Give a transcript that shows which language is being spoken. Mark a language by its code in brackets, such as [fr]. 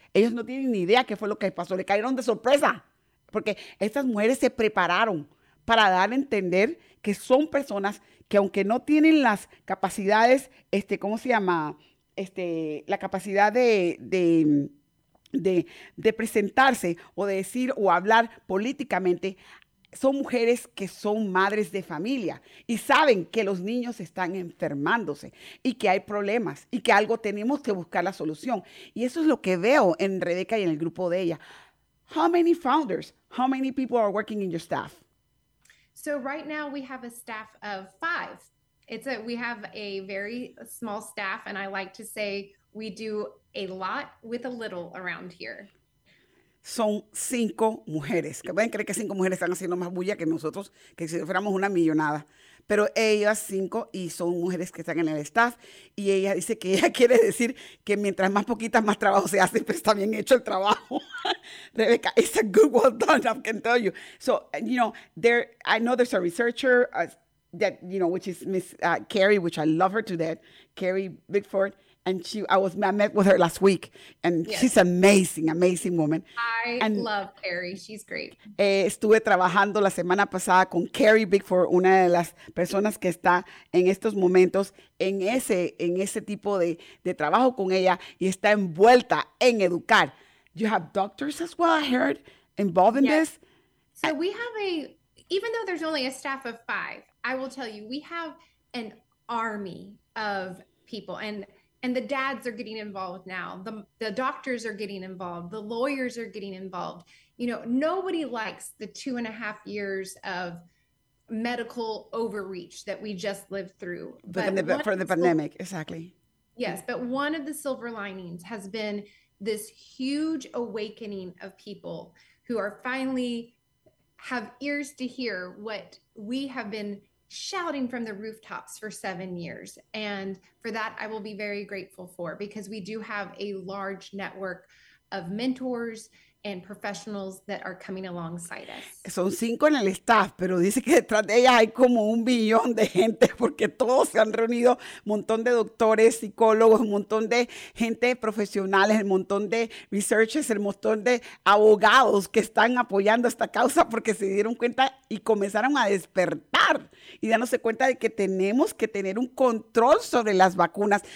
[es] Ellos no tienen ni idea qué fue lo que pasó. Le cayeron de sorpresa porque estas mujeres se prepararon para dar a entender que son personas que, aunque no tienen las capacidades, la capacidad de presentarse o de decir o hablar políticamente, son mujeres que son madres de familia y saben que los niños están enfermándose y que hay problemas y que algo tenemos que buscar la solución. Y eso es lo que veo en Rebeca y en el grupo de ella. [en] How many founders, how many people are working in your staff? So right now we have a staff of 5. We have a very small staff, and I like to say we do a lot with a little around here. [es] Son 5 mujeres. ¿Pueden creer que 5 mujeres están haciendo más bulla que nosotros, que si fuéramos una millonada? Pero ellas 5 y son mujeres que están en el staff, y ella dice que ella quiere decir que mientras más poquitas, más trabajo se hace, pero está bien hecho el trabajo. [en] Rebeca, it's a good well done, I can tell you. So, you know, there's a researcher that, you know, which is Miss Carrie, which I love her to death, Carrie Bickford. And I met with her last week, and yes, she's an amazing, amazing woman. Love Carrie. She's great. [es] Estuve trabajando la semana pasada con Carrie Bickford, una de las personas que está en estos momentos en ese tipo de trabajo con ella, y está envuelta en educar. [en] You have doctors as well, I heard, involved in this? So we have even though there's only a staff of 5, I will tell you, we have an army of people, and the dads are getting involved now. The doctors are getting involved. The lawyers are getting involved. You know, nobody likes the 2.5 years of medical overreach that we just lived through. For the pandemic, exactly. Yes, but one of the silver linings has been this huge awakening of people who are finally have ears to hear what we have been shouting from the rooftops for 7 years. And for that, I will be very grateful for, because we do have a large network of mentors and professionals that are coming alongside us. [es] Son 5 en el staff, pero dice que detrás de ellas hay como 1 billón de gente, porque todos se han reunido, montón de doctores, psicólogos, montón de gente profesionales, el montón de researchers, el montón de abogados que están apoyando esta causa, porque se dieron cuenta y comenzaron a despertar y dándose cuenta de que tenemos que tener un control sobre las vacunas.